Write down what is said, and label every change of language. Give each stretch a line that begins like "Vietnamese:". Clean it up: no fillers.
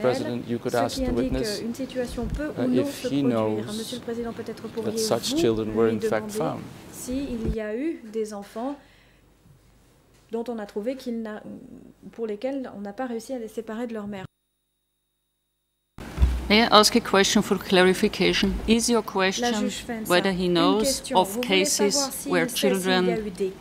English: President, you could ask the witness if he knows that such children were in fact found.
French: Si il y a eu des enfants dont on a trouvé qu'il n'a, pour lesquels on n'a pas réussi à les séparer de leur mère.
English: May I ask a question for clarification? Is your question whether he knows of cases where children...